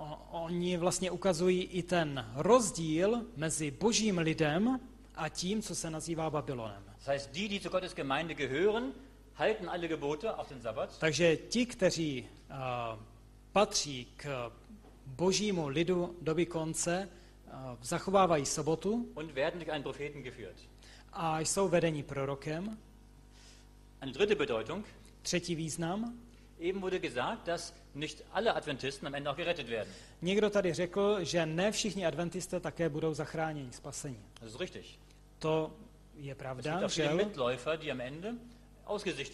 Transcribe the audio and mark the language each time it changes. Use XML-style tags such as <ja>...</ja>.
<cs>Oni vlastně ukazují i ten rozdíl mezi Božím lidem a tím, co se nazývá Babylonem.</cs> <de>Das heißt, die zu Gottes Gemeinde gehören, halten alle Gebote auf den Sabbat.</de> <cs>Takže ti, kteří patří k Božímu lidu doby konce, zachovávají sobotu</cs> <de>und werden durch einen Propheten geführt.</de> <cs>A jsou vedeni prorokem.</cs> <de>Eine dritte Bedeutung.</de> <cs>Třetí význam.</cs> <de>Eben wurde gesagt, dass nicht alle Adventisten am Ende auch gerettet werden.</de> <cs>Někdo tady řekl, že ne všichni Adventisté také budou zachráněni, spaseni.</cs> <de>Das ist richtig.</de> <cs>To je pravda,</cs> <de>es gibt auch viele Mitläufer, die am Ende ausgesichtet</de>